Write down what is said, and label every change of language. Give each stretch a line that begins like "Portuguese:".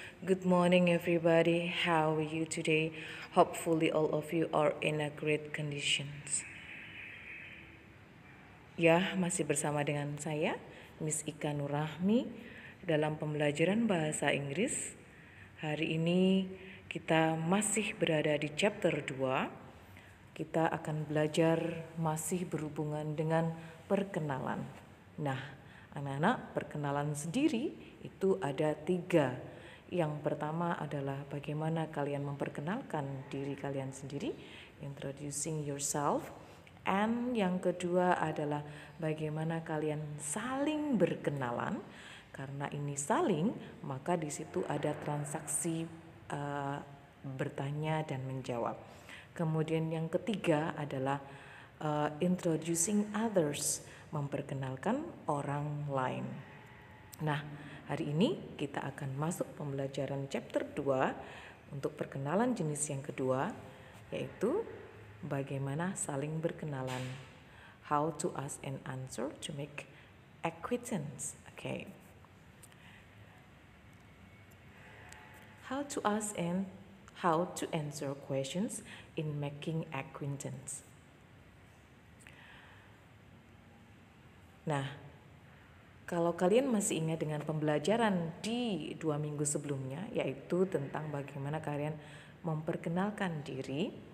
Indonesian: Good morning everybody. How are you today? Hopefully all of you are in a great conditions. Ya, masih bersama dengan saya, Miss Ika Nur Rahmi, dalam pembelajaran bahasa Inggris. Hari ini kita masih berada di chapter 2. Kita akan belajar masih berhubungan dengan perkenalan. Nah, anak-anak, perkenalan sendiri itu ada 3. Yang pertama adalah bagaimana kalian memperkenalkan diri kalian sendiri,
English: introducing yourself.
Indonesian: And yang kedua adalah bagaimana kalian saling berkenalan. Karena ini saling, maka di situ ada transaksi bertanya dan menjawab. Kemudian yang ketiga adalah
English: introducing others,
Indonesian: memperkenalkan orang lain. Nah, hari ini kita akan masuk pembelajaran chapter 2 untuk perkenalan jenis yang kedua, yaitu bagaimana saling berkenalan.
English: How to ask and answer to make acquaintance. Okay. How to ask and how to answer questions in making acquaintance.
Indonesian: Nah, kalau kalian masih ingat dengan pembelajaran di 2 minggu sebelumnya, yaitu tentang bagaimana kalian memperkenalkan diri.